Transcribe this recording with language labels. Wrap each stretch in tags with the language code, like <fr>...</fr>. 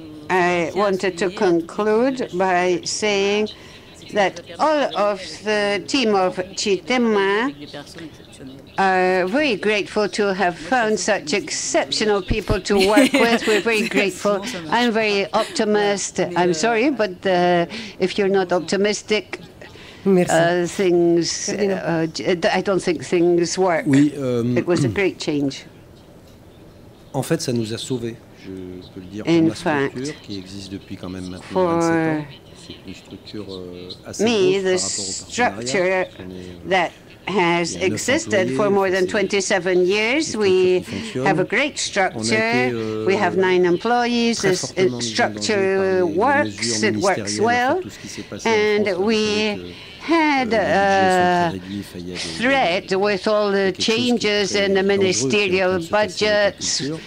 <en>I wanted to conclude by saying that all of the team of CITEMA are very grateful to have found such exceptional people to work with. We're very grateful. I'm very optimistic. I'm sorry, but if you're not optimistic, I don't think things work.</en> <fr>Oui,</fr> <en>it was a great change.</en> <fr>En fait, ça nous a sauvé. Je peux le dire pour la structure qui existe depuis quand même maintenant 27 ans.</fr> <en>The structure that has existed for more than 27 years, we have a great structure, we have 9 employees, this structure works, it works well, and we had a threat with all the changes in the ministerial budgets.</en>